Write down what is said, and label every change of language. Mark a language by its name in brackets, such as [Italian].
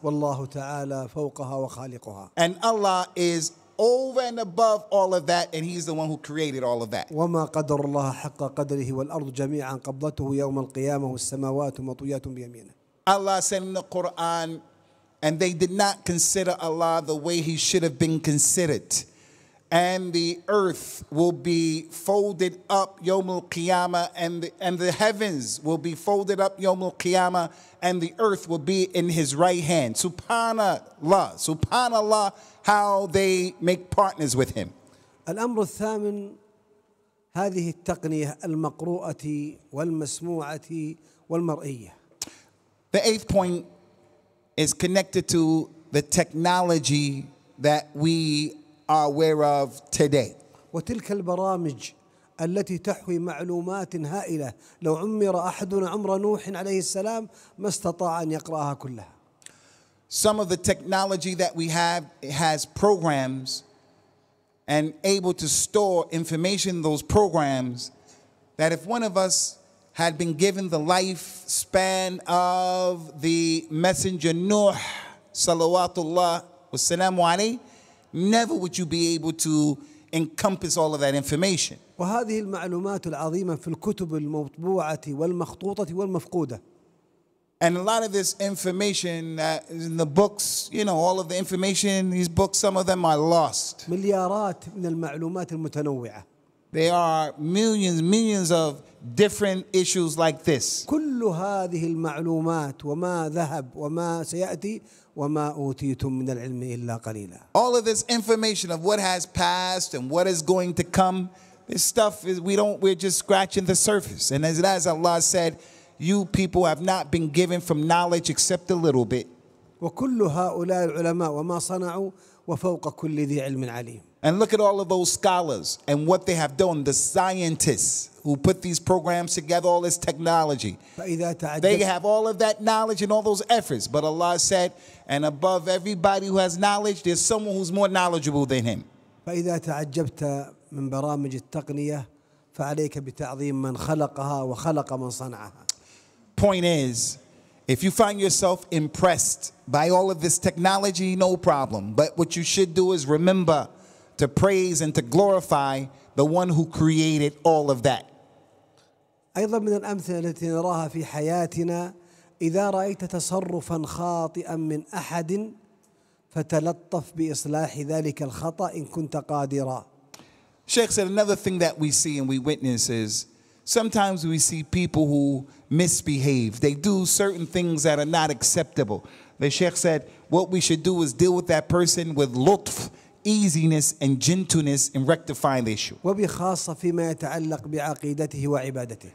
[Arabic] والله تعالى فوقها وخالقها. [English] And Allah is over and above all of that, and He's the one who created all of that. [Arabic] وما قدر الله حق قدره والأرض جميعا قبضته يوم القيامة والسماوات مطويات بيمينه. [English] Allah said in the Quran, and they did not consider Allah the way He should have been considered. And the earth will be folded up [Arabic] يوم القيامة, [English] and the heavens will be folded up يوم القيامة, and the earth will be in His right hand. Subhanallah, how they make partners with Him. [Arabic] الأمر الثامن, هذه التقنية المقروءة والمسموعة والمرئية. [English] The eighth point is connected to the technology that we are aware of today. [Arabic] وتلك البرامج التي تحوي معلومات هائلة لو عمر أحدنا عمر نوح عليه السلام ما استطاع أن يقرأها كلها. [English] Some of the technology that we have, it has programs and able to store information in those programs that if one of us had been given the lifespan of the messenger Nuh, [Arabic] salawatullah wa salamu alayhi, [English] never would you be able to encompass all of that information. [Arabic] وهذه المعلومات العظيمة في الكتب المطبوعة والمخطوطة والمفقودة. [English] And a lot of this information is in the books, you know, all of the information in these books, some of them are lost. [Arabic] مليارات من المعلومات المتنوعة. [English] There are millions of different issues like this. [Arabic] كل هذه المعلومات وما ذهب وما سيأتي وما أوتيتم من العلم إلا قليلا. [English] All of this information of what has passed and what is going to come, this stuff is, we're just scratching the surface. And as Allah said, you people have not been given from knowledge except a little bit. [Arabic] وكل هؤلاء العلماء وما صنعوا وفوق كل ذي علم عليم. [English] And look at all of those scholars and what they have done, the scientists who put these programs together, all this technology. They have all of that knowledge and all those efforts. But Allah said, and above everybody who has knowledge, there's someone who's more knowledgeable than him. [Arabic] فإذا تعجبت من برامج التقنية فعليك بتعظيم من خلقها وخلق من صنعها. [English] Point is, if you find yourself impressed by all of this technology, no problem. But what you should do is remember to praise and to glorify the one who created all of that. [Arabic] أيضا من الأمثلة التي نراها في حياتنا إذا رأيت تصرفا خاطئا من أحد فتلطف بإصلاح ذلك الخطأ إن كنت قادرا. [English] Sheikh said another thing that we see and we witness is sometimes we see people who misbehave. They do certain things that are not acceptable. The Sheikh said what we should do is deal with that person with lutf, easiness and gentleness in rectifying the issue. [Arabic] وبخاصة فيما يتعلق بعقيدته وعبادته.